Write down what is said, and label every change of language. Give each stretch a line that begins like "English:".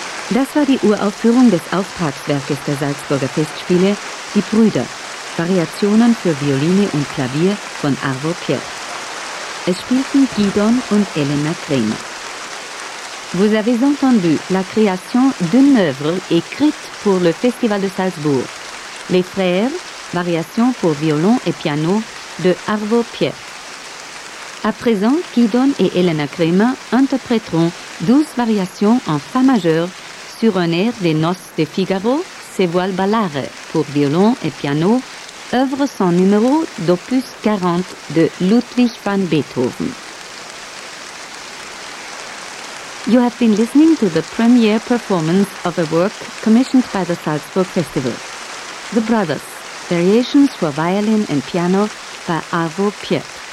German: Das war die Uraufführung des Auftragswerkes der Salzburger Festspiele, Die Brüder, Variationen für Violine und Klavier von Arvo Pärt. Es spielten Gidon und Elena Kremer.
French: Vous avez entendu la création d'une œuvre écrite pour le Festival de Salzbourg. Les Frères, Variations pour violon et piano de Arvo Pärt. À présent, Gidon et Elena Kremer interpréteront 12 variations en Fa majeur sur un air des Noces de Figaro, Se vuol ballare, pour violon et piano, œuvre sans numéro d'opus 40 de Ludwig van Beethoven.
English: You have been listening to the premiere performance of a work commissioned by the Salzburg Festival. The Brothers, Variations for Violin and Piano by Arvo Pärt.